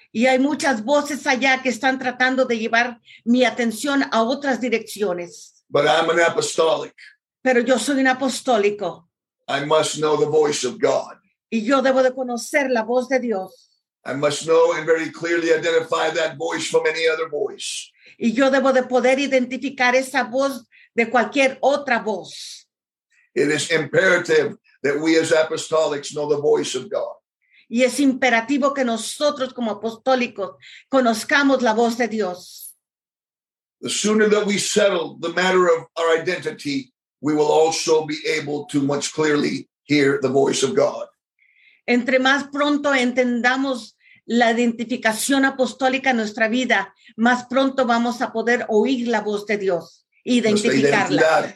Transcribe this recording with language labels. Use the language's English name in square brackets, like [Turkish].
[Spanish] Y hay muchas voces allá que están tratando de llevar mi atención a otras direcciones. [English] But I'm an apostolic. [Spanish] Pero yo soy un apostólico. [English] I must know the voice of God. [Spanish] Y yo debo de conocer la voz de Dios. [English] I must know and very clearly identify that voice from any other voice. [Spanish] Y yo debo de poder identificar esa voz de cualquier otra voz. [English] It is imperative that we as apostolics know the voice of God. [Spanish] Y es imperativo que nosotros como apostólicos conozcamos la voz de Dios. [English] The sooner that we settle the matter of our identity, we will also be able to much clearly hear the voice of God. [Spanish] Entre más pronto entendamos la identificación apostólica en nuestra vida, más pronto vamos a poder oír la voz de Dios, identificarla.